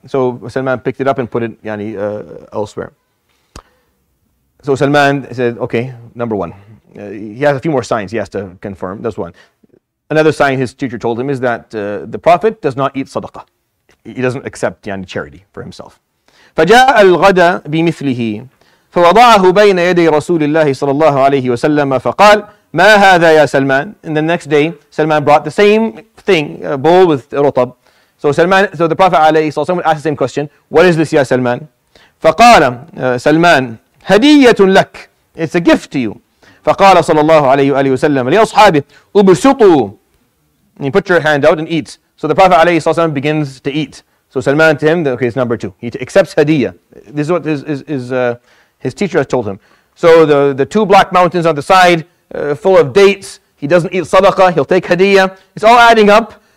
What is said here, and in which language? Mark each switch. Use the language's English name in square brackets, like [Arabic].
[English] So Salman picked it up and put it elsewhere. So Salman said, okay, number one. He has a few more signs he has to confirm. That's one. Another sign his teacher told him is that the Prophet does not eat sadaqah. He doesn't accept charity for himself. [Arabic] فَجَاءَ الْغَدَى بِمِثْلِهِ فوضعه بين يدي رسول الله صلى الله عليه وسلم فقال ما هذا يا سلمان. [English] And the next day, Salman brought the same thing, a bowl with rutab. So the Prophet عليه الصلاة والسلام asked the same question, what is this [Arabic] يا سلمان؟ فقال سلمان هدية لك. [English] It's a gift to you. [Arabic] فقال صلى الله عليه وآله وسلم لأصحابه أبسطوا. [English] And you put your hand out and eat. So the Prophet عليه الصلاة والسلام begins to eat. So Salman to him, okay, it's number two. He accepts hadiyah. This is what his teacher has told him. So the two black mountains on the side, full of dates, he doesn't eat sadaqah, he'll take hadiyah. It's all adding up.